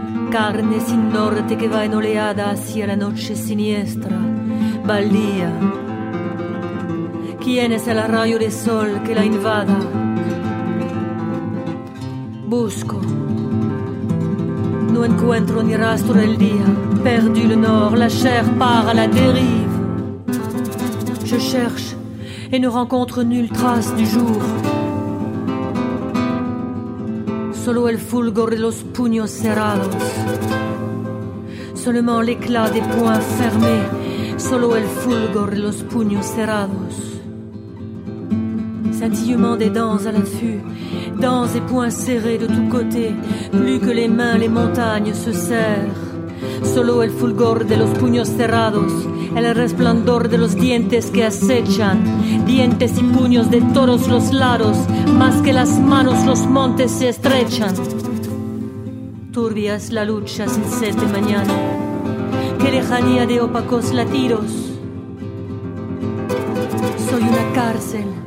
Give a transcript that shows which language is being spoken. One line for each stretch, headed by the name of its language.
Spanish: Carne sin norte que va en oleada hacia la noche siniestra, baldía. ¿Quién es el rayo de sol que la invada? Busco, no encuentro ni rastro del día.
French: Perdu le nord, la chair part a la dérive. Je cherche et ne rencontre nulle trace du jour.
Spanish: Solo el fulgor de los puños cerrados.
French: Seulement l'éclat des poings fermés.
Spanish: Solo el fulgor de los puños cerrados.
French: Scintillement des dents à l'affût. Dents et poings serrés de tous côtés, plus que les mains, les montagnes se serrent.
Spanish: Solo el fulgor de los puños cerrados, el resplandor de los dientes que acechan, dientes y puños de todos los lados, más que las manos los montes se estrechan. Turbias la lucha sin sed de mañana, qué lejanía de opacos latidos. Soy una cárcel.